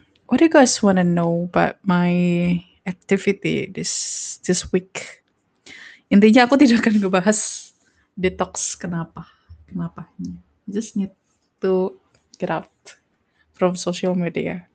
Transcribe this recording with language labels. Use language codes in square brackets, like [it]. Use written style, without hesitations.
[en] What do you guys wanna know about my activity this week? [id] Intinya aku tidak akan ngebahas detox kenapa. [en] Just need to get out from social media.